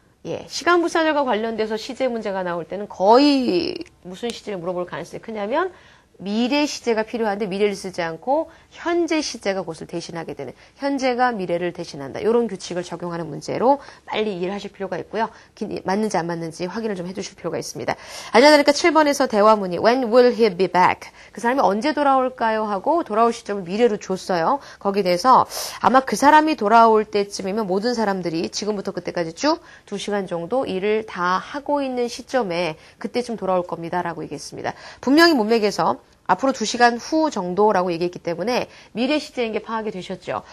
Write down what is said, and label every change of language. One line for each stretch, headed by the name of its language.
Korean: 예, 시간부사절과 관련돼서 시제 문제가 나올 때는 거의 무슨 시제를 물어볼 가능성이 크냐면 미래 시제가 필요한데 미래를 쓰지 않고 현재 시제가 그것을 대신하게 되는 현재가 미래를 대신한다. 이런 규칙을 적용하는 문제로 빨리 이해를 하실 필요가 있고요. 맞는지 안 맞는지 확인을 좀 해주실 필요가 있습니다. 안녕하십니까? 7번에서 대화문이
English: When will he be back?
Korean: 그 사람이 언제 돌아올까요? 하고 돌아올 시점을 미래로 줬어요. 거기에 대해서 아마 그 사람이 돌아올 때쯤이면 모든 사람들이 지금부터 그때까지 쭉 2시간 정도 일을 다 하고 있는 시점에 그때쯤 돌아올 겁니다라고 얘기했습니다. 분명히 문맥에서 앞으로 2시간 후 정도라고 얘기했기 때문에 미래 시제인 게 파악이 되셨죠.